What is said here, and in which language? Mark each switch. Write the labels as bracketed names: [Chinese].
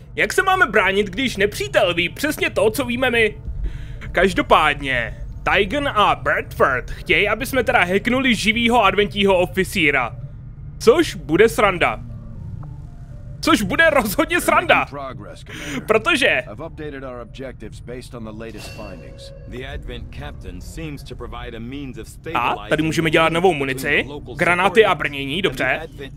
[Czech] Jak se máme bránit, když nepřítel ví přesně to, co víme my? Každopádně, Tigan a Bradford chtějí, aby jsme teda hacknuli živýho adventního oficíra. Což bude sranda. Což bude rozhodně sranda. Protože... [English] I've updated our objectives based on the latest findings. The Advent captain seems to provide a means of stabilizing... [Czech] A tady můžeme dělat novou munici, granáty a brnění, dobře.